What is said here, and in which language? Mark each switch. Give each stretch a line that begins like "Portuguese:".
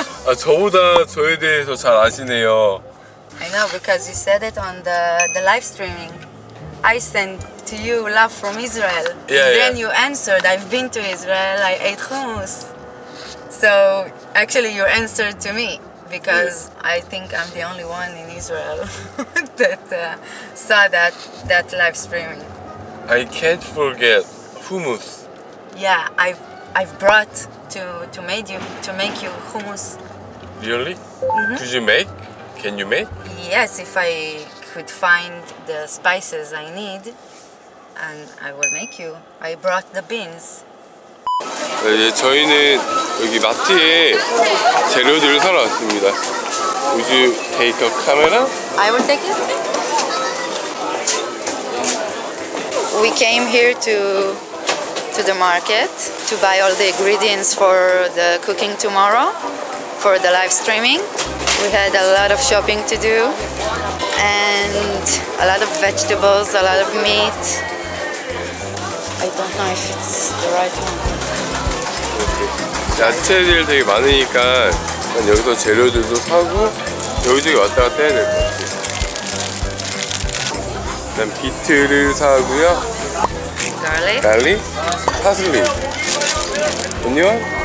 Korean: 아, 저보다 저에 대해서 잘 아시네요.
English: I know because you said it on the live streaming. I sent to you love from Israel. Yeah, yeah. Then you answered, I've been to Israel, I ate hummus. So actually you answered to me because yeah. I think I'm the only one in Israel that saw that live streaming. I can't forget hummus. Yeah, I've brought to make you hummus. Really? Mm-hmm. Could you make? Can you make? Yes, if I could find the spices I need, and I will make you. I brought the beans.
Korean: 네, 저희는 여기 마트에 재료들을 사러 왔습니다.
English: Would you take a camera? I will take it. We came here to the market to buy all the ingredients for the cooking tomorrow. For the live streaming, we had a lot of shopping to do and a lot of vegetables, a lot of meat. I don't know if it's the right one.
Korean: 야채들 되게 많으니까 여기서 재료들도 사고 여기저기 왔다 갔다 해야 될 것 같아요. 그다음 비트를 사고요.
English: Garlic.
Korean: Garlic. 파슬리. 안녕.